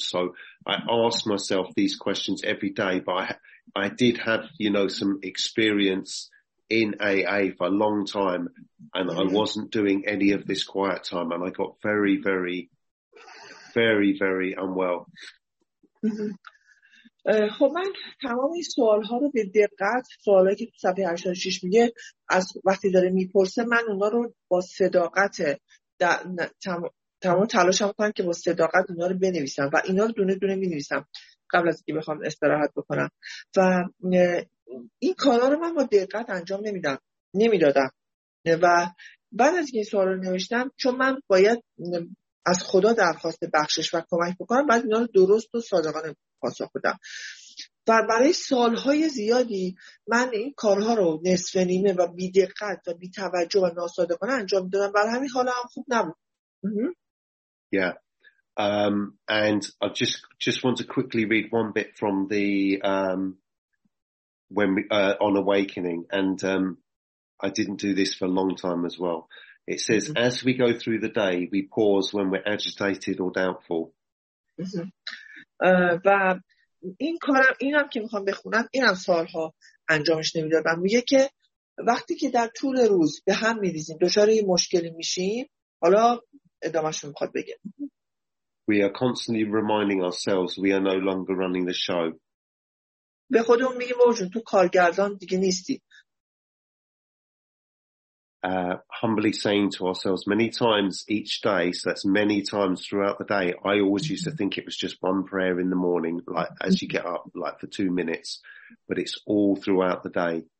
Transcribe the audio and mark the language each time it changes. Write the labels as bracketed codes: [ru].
[en] So I ask myself these questions every day, but I did have, you know, some experience in AA for a long time, and I wasn't doing any of this quiet time, and I got very, very, very, very unwell. [fa] خب من تمام این سوال ها رو به دقت، سوالایی که تو صفحه 86 میگه، از وقتی داره میپرسه، من اونا رو با صداقت تمام تلاشم کنم که با صداقت اونا رو بنویسم و اینا رو دونه دونه مینویسم قبل از اینکه بخوام استراحت بکنم. و این کارا رو من با دقت انجام نمیدادم و بعد از این سوال رو نوشتم، چون من باید از خدا درخواست بخشش و کمک بکنم، بعد اینا رو درست و صادقانه پاسخ بدم. و برای سالهای زیادی من این کارها رو نصف نیمه و بی دقت و بی توجه و ناصادقانه انجام دادم، برای همین حالا هم خوب نبود. [en] Yeah. And I just want to quickly read one bit from the on awakening, and I didn't do this for a long time as well. It says, mm-hmm. as we go through the day, we pause when we're agitated or doubtful. [fa] و این کارم، اینم که میخوام بخونم، اینم سالها انجامش نمیدادم. میگه که وقتی که در طول روز به هم میریزیم، دچار یه مشکلی میشیم، حالا ادامهش رو میخواد بگه. [en] We are constantly reminding ourselves we are no longer running the show. [fa] به خودمون میگیم باوجون تو کارگردان دیگه نیستی. [en] Humbly saying to ourselves many times each day, so that's many times throughout the day. I always used to think it was just one prayer in the morning, like as you get up, like for 2 minutes, but it's all throughout the day.